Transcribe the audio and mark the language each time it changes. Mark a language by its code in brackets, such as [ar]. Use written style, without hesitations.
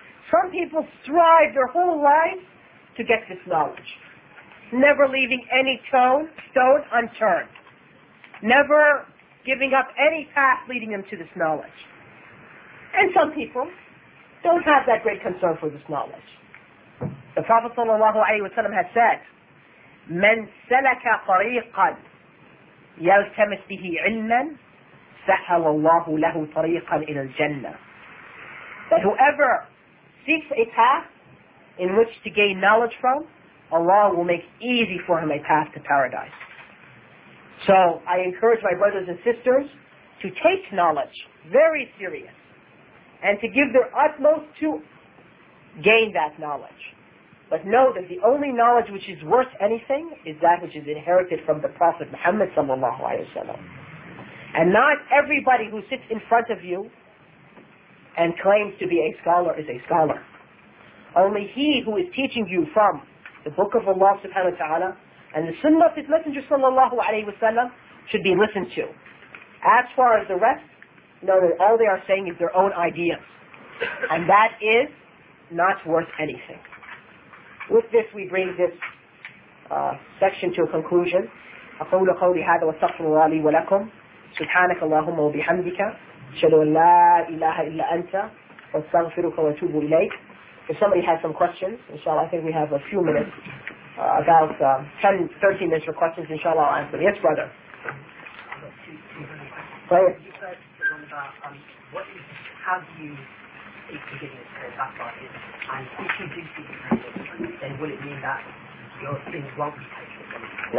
[en] Some people strive their whole lives to get this knowledge. Never leaving any stone unturned. Never giving up any path leading them to this knowledge. And some people don't have that great concern for this knowledge. The Prophet sallallahu alayhi wa sallam has said, [ar] مَنْ سَلَكَ طَرِيقًا يَلْتَمِسْ بِهِ عِلْمًا سَحَلَ اللَّهُ لَهُ طَرِيقًا إِلَى الْجَنَّةِ. [en] That whoever seeks a path in which to gain knowledge from, Allah will make easy for him a path to paradise. So I encourage my brothers and sisters to take knowledge very serious and to give their utmost to gain that knowledge. But know that the only knowledge which is worth anything is that which is inherited from the Prophet Muhammad sallallahu alayhi wa sallam. And not everybody who sits in front of you and claims to be a scholar is a scholar. Only he who is teaching you from the Book of Allah subhanahu wa ta'ala and the Sunnah of his Messenger sallallahu alayhi wa sallam should be listened to. As far as the rest, know that all they are saying is their own ideas. And that is not worth anything. With this, we bring this section to a conclusion. [ar] أقول قولي هذا واستغفر الله لي ولكم سبحانك اللهم وبحمدك أشهد أن لا إله إلا أنت واستغفرك واتوب إليك. [en] If somebody has some questions, inshallah, I think we have a few minutes, about 10, 13 minutes for questions, inshallah, I'll answer. Yes, brother. You said what is, how do you if you didn't say that, and if you did see the message, then will it mean that your things won't be taken from you?